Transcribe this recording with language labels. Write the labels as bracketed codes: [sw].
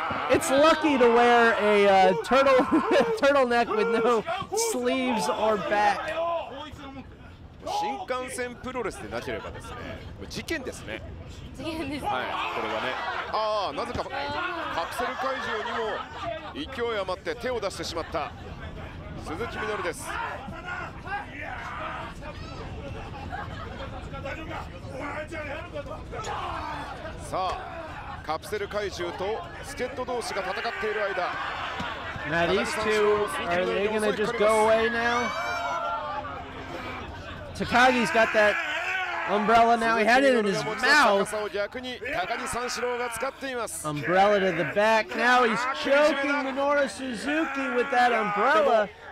[en] It's lucky to wear a turtleneck with no sleeves or back. [ja] 新幹線プロレスでなければですね、事件ですね。事件ですね。はい、これはね。ああ、なぜかカプセル怪獣にも勢い余って手を出してしまった鈴木みのるです。さあ。カプセル怪獣と助っ人同士が戦っている間、 [en] Now these two, are they gonna just go away now? Takagi's got that umbrella now. He had it in his mouth. Umbrella to the back. Now he's choking Minoru Suzuki with that umbrella.